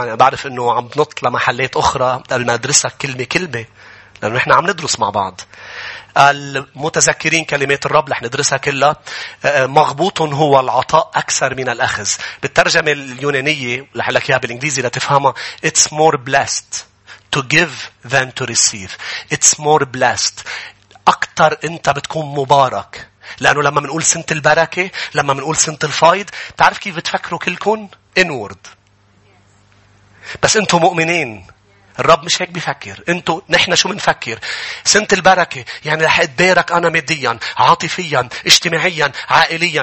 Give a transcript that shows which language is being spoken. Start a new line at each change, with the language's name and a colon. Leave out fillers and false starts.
Arabic: بعرف أنه عم بنط لمحلات أخرى قبل ما أدرسك كلمة كلمة. لأنه إحنا عم ندرس مع بعض. المتذكرين كلمات الرب لح ندرسها كلها. مغبوط هو العطاء أكثر من الأخذ. بالترجمة اليونانية لح لك إياها بالإنجليزي لتفهمها.
English: It's more blessed to give than to receive. It's more blessed.
Arabic: أكتر أنت بتكون مبارك. لأنه لما منقول سنة البركة, لما منقول سنة الفايد, تعرف كيف بتفكروا كلكم؟ inward. بس أنتم مؤمنين. الرب مش هيك بيفكر. أنتوا نحن شو منفكر؟ سنة البركة يعني رح أتبارك أنا ماديا, عاطفيا, اجتماعيا, عائليا.